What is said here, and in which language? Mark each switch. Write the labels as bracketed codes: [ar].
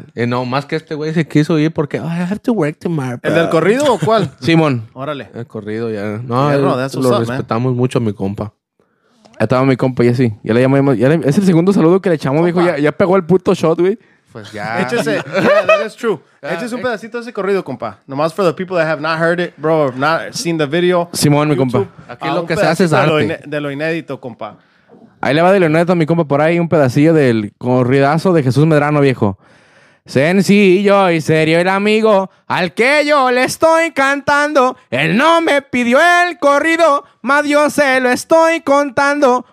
[es] No, más que este güey se quiso ir porque [en] I have to work tomorrow. [es] Bro. ¿El del corrido o cuál? Simón. Órale. El corrido ya. No, yeah, bro, lo up, respetamos man. Mucho a mi compa. Estaba mi compa y así. Ya le llamamos. Es el segundo saludo que le echamos. Opa. Dijo, ya pegó el puto shot, güey. Pues ya. Échese. [en] Yeah, that is true. Yeah. [es] Échese un pedacito de ese corrido, compa. [en] Nomás for the people that have not heard it, bro, or not seen the video. [es] Simón, YouTube, mi compa. Aquí lo que se hace es arte. De lo inédito, compa. Ahí le va de Leonardo a mi compa por ahí un pedacillo del corridazo de Jesús Medrano, viejo. Sencillo y serio el amigo al que yo le estoy cantando. Él no me pidió el corrido, mas yo se lo estoy contando.